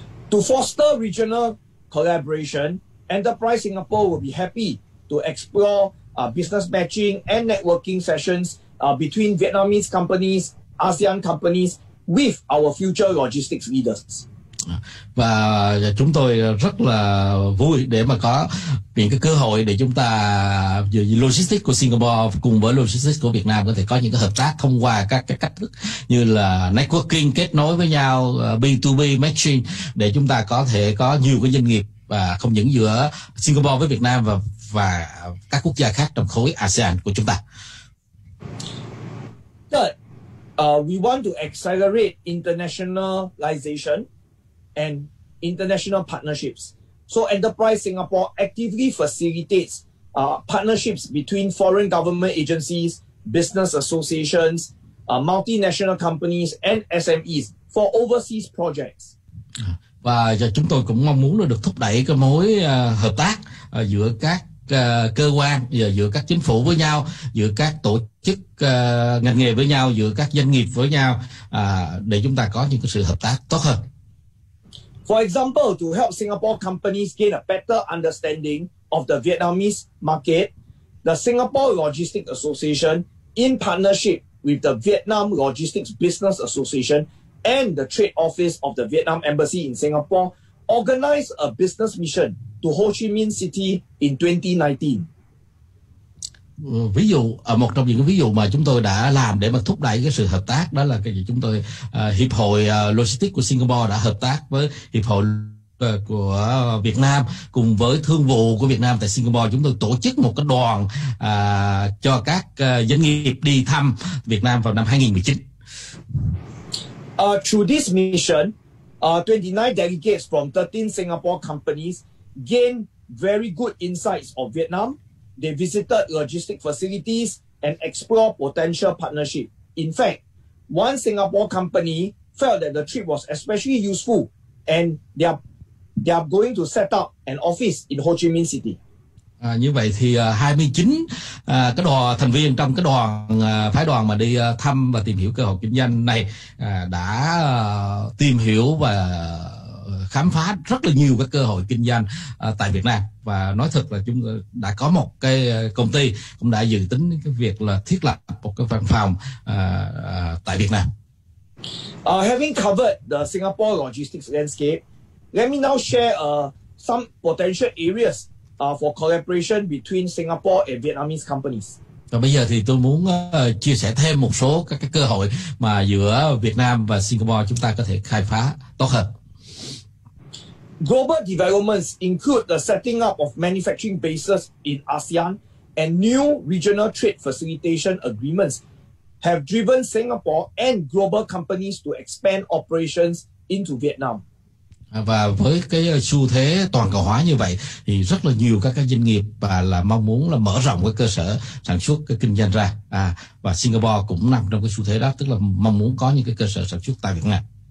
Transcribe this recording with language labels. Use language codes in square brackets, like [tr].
[en] To foster regional collaboration, Enterprise Singapore will be happy to explore business matching and networking sessions between Vietnamese companies, ASEAN companies with our future logistics leaders. [vi] Và chúng tôi rất là vui để mà có những cái cơ hội để chúng ta logistics của Singapore cùng với logistics của Việt Nam có thể có những cái hợp tác thông qua các cái cách thức như là networking, kết nối với nhau, B2B matching, để chúng ta có thể có nhiều cái doanh nghiệp và không những giữa Singapore với Việt Nam và các quốc gia khác trong khối ASEAN của chúng ta. [en] We want to accelerate internationalization and international partnerships. So Enterprise Singapore actively facilitates partnerships between foreign government agencies, business associations, multinational companies and SMEs for overseas projects. [vi] Và chúng tôi cũng mong muốn được thúc đẩy cái mối hợp tác giữa các cơ quan, giữa các chính phủ với nhau, giữa các tổ chức ngành nghề với nhau, giữa các doanh nghiệp với nhau, để chúng ta có những cái sự hợp tác tốt hơn. [en] For example, to help Singapore companies gain a better understanding of the Vietnamese market, the Singapore Logistics Association, in partnership with the Vietnam Logistics Business Association and the Trade Office of the Vietnam Embassy in Singapore, organized a business mission to Ho Chi Minh City in 2019. [vi] Ví dụ, một trong những cái ví dụ mà chúng tôi đã làm để mà thúc đẩy cái sự hợp tác đó là cái gì? Chúng tôi hiệp hội logistics của Singapore đã hợp tác với hiệp hội của Việt Nam cùng với thương vụ của Việt Nam tại Singapore. Chúng tôi tổ chức một cái đoàn cho các doanh nghiệp đi thăm Việt Nam vào năm 2019. [en] Through this mission, 29 delegates from 13 Singapore companies gained very good insights of Vietnam. They visited logistic facilities and explored potential partnership. In fact, one Singapore company felt that the trip was especially useful and they are going to set up an office in Ho Chi Minh City. [vi] Như vậy thì 29 cái đoàn thành viên trong cái đoàn phái đoàn mà đi thăm và tìm hiểu cơ hội kinh doanh này đã tìm hiểu và khám phá rất là nhiều các cơ hội kinh doanh tại Việt Nam. Và nói thật là chúng đã có một cái công ty cũng đã dự tính cái việc là thiết lập một cái văn phòng tại Việt Nam. [en] Having covered the Singapore logistics landscape, let me now share some potential areas for collaboration between Singapore and Vietnamese companies. [vi] Và bây giờ thì tôi muốn chia sẻ thêm một số các cái cơ hội mà giữa Việt Nam và Singapore chúng ta có thể khai phá tốt hơn. [en] Global developments include the setting up of manufacturing bases in ASEAN and new regional trade facilitation agreements have driven Singapore and global companies to expand operations into Vietnam. [vi] Và với cái xu thế toàn cầu hóa như vậy thì rất là nhiều các doanh nghiệp là mong muốn là mở rộng cái cơ sở sản xuất cái kinh doanh ra. Và Singapore cũng nằm trong cái xu thế đó, tức là mong muốn có những cái cơ sở sản xuất tại Việt Nam.